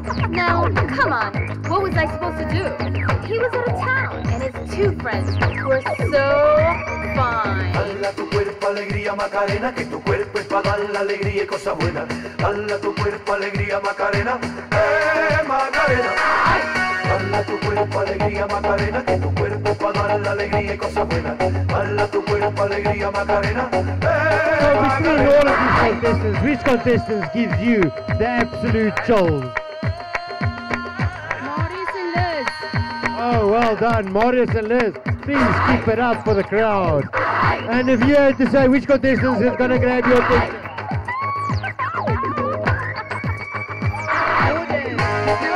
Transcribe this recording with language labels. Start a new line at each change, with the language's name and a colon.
English: Now, come on, what was I supposed to do? He was out of town, and his two friends were so fine.
Spanish: Dala tu cuerpo alegría Macarena, que tu cuerpo es pa' dar la alegría y cosa buena. Dala tu cuerpo alegría Macarena, Macarena. Dala tu cuerpo alegría Macarena, que tu cuerpo es pa' dar la alegría y cosa buena. Dala tu cuerpo alegría Macarena, Macarena.
English: So between all of these contestants, which contestants gives you the absolute chill? Oh, well done, Marius and Liz. Please keep it up for the crowd. And if you had to say which contestants is going to grab your picture.